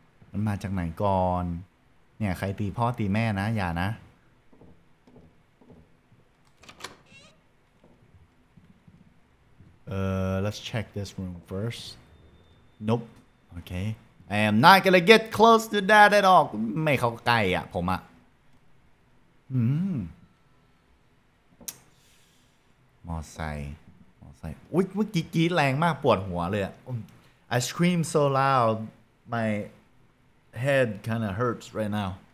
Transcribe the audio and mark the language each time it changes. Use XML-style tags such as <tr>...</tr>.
<th>มันมาจากไหนก่อนเนี่ยใครตีพ่อตีแม่นะอย่านะ</th> <en>Let's check this room first. Nope. Okay. I am not gonna get close to that at all.</en> <th>ไม่เข้าใกล้อ่ะผมอ่ะ มอไซค์ อุ๊ยเมื่อกี้กรี๊ดแรงมากปวดหัวเลยอ่ะ</th> <en>I scream so loud. My head kinda hurts right now.</en>